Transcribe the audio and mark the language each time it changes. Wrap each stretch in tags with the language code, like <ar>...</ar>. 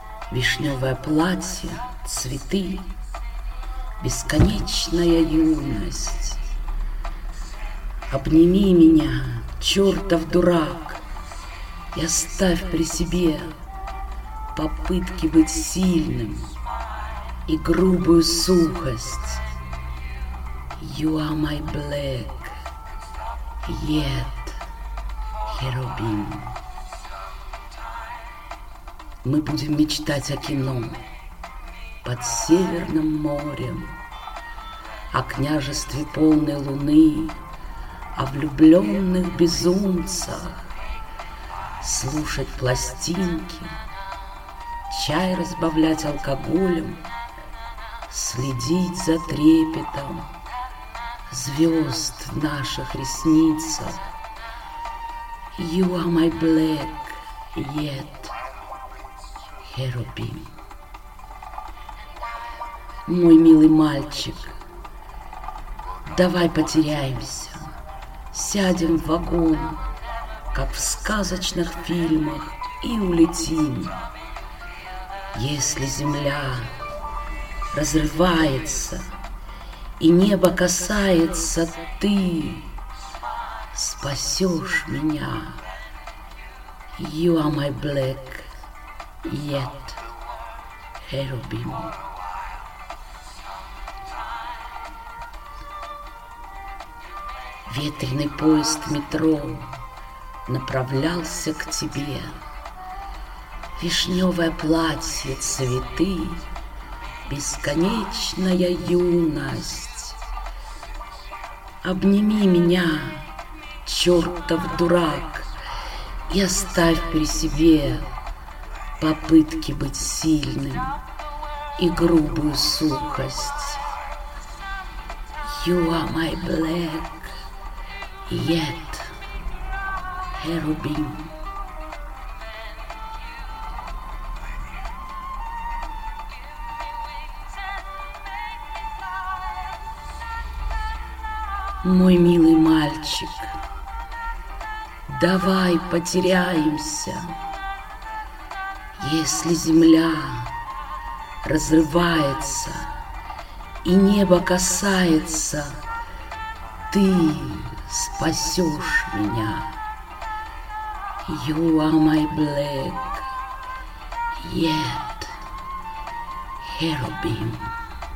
<ru>Вишневое платье, цветы, бесконечная юность. Обними меня, чертов дурак, и оставь при себе попытки быть сильным и грубую сухость.</ru> <en>You are my black, yet cherubim.</en> <ru>Мы будем мечтать о кино под Северным морем, о княжестве полной луны, о влюбленных безумцах, слушать пластинки, чай разбавлять алкоголем, следить за трепетом звезд в наших ресницах.</ru> <en>You are my black, yet cherubim.</en> <ru>Мой милый мальчик, давай потеряемся, сядем в вагон, как в сказочных фильмах, и улетим. Если земля разрывается и небо касается, ты спасешь меня.</ru> <en>You are my black, yet cherubim.</en> <ru>Ветреный поезд метро направлялся к тебе. Вишневое платье, цветы, бесконечная юность. Обними меня, чертов дурак, и оставь при себе попытки быть сильным и грубую сухость.</ru> <en>You are my black, yet cherubim.</en> <ru>Мой милый мальчик, давай потеряемся. Если земля разрывается и небо касается, ты спасешь меня.</ru> <en>You are my black, yet cherubim.</en>